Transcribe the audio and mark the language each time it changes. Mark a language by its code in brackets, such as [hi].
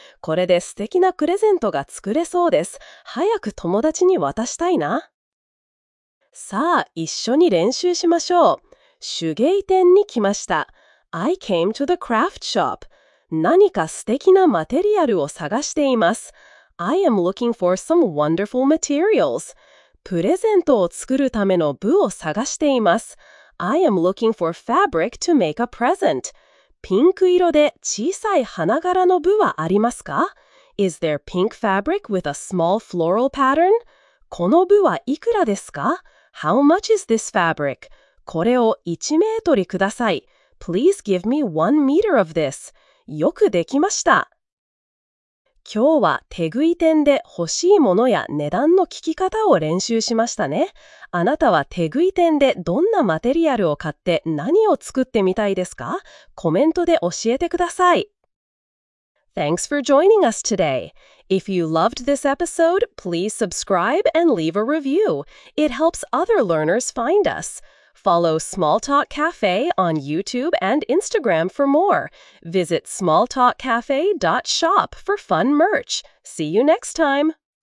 [ja] これで素敵なプレゼントが作れそうです。早く友達に渡したいな。さあ、一緒に練習しましょう。手芸店に来ました。 [en] I came to the craft shop. [ja] 何か素敵なマテリアルを探しています。 [en] I am looking for some wonderful materials. [ja] プレゼントを作るための布を探しています。 [en] I am looking for fabric to make a present. [ja] ピンク色で小さい花柄の布はありますか? [en] Is there pink fabric with a small floral pattern? [ja] この布はいくらですか? [en] How much is this fabric? [ja] これを1メートルください。 [en] Please give me 1 meter of this. [ja] よくできました。今日は手食い店で欲しいものや値段の聞き方を練習しましたね。あなたは手食い店でどんなマテリアルを買って何を作ってみたいですか? コメントで教えてください。 [en] Thanks for joining us today. If you loved this episode, please subscribe and leave a review. It helps other learners find us. Follow Small Talk Cafe on YouTube and Instagram for more. Visit smalltalkcafe.shop for fun merch. See you next time!